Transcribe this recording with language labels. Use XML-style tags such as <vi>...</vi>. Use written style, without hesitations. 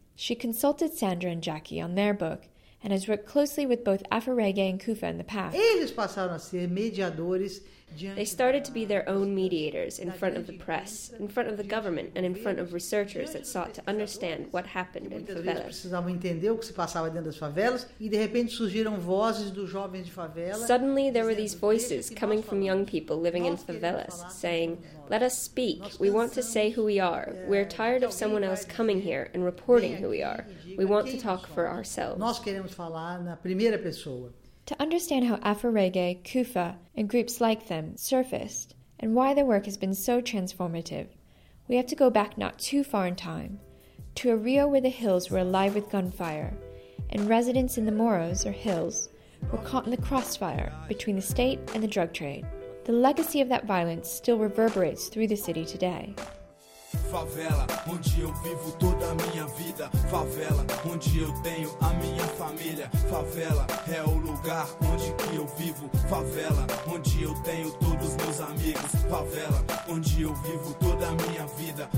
<en>She consulted Sandra and Jackie on their book and has worked closely with both Afa-Rege and Kufa in the past.</en> <pt>Eles passaram a ser mediadores.</pt> <en>They started to be their own mediators in front of the press, in front of the government, and in front of researchers that sought to understand what happened in favelas.</en> <pt>Muitas vezes precisavam entender o que se passava dentro das favelas, e de repente surgiram vozes dos jovens de favela.</pt> <en>Suddenly there were these voices coming from young people living in favelas, saying, "Let us speak. We want to say who we are. We are tired of someone else coming here and reporting who we are. We want to talk for ourselves."</en> <pt>Nós queremos falar na primeira pessoa.</pt> <en>To understand how Afa-Rege, Kufa, and groups like them surfaced, and why their work has been so transformative, we have to go back not too far in time, to a Rio where the hills were alive with gunfire, and residents in the morros, or hills, were caught in the crossfire between the state and the drug trade. The legacy of that violence still reverberates through the city today.</en> <pt>Favela, onde eu vivo toda a minha vida. Favela, onde eu tenho a minha família. Favela, é o lugar onde que eu vivo. Favela, onde eu tenho todos meus amigos. Favela, onde eu vivo toda a minha vida.</pt>